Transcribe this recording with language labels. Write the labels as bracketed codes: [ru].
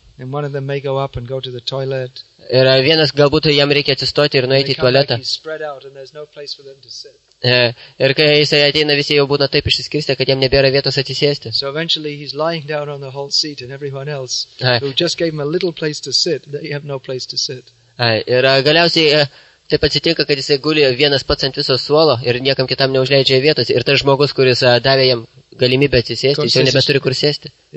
[en] And one of them may go up and go to the toilet. [lt] Ir vienas galbūt jam reikia atsistoti ir nueiti į tualetą. Ir kai jis ateina, visi jau būna taip išsiskirstę, kad jam nebėra vietos atsisėsti. [en] So eventually he's lying down on the whole seat and everyone else who just gave him a little place to sit, they have no place to sit. [lt] Ir galiausiai taip atsitinka, kad jisai guli vienas pats ant viso suolo ir niekam kitam neužleidžia vietos. Ir tas žmogus, kuris davė jam galimybę atsisėsti, jis jau nebeturi kur sėsti.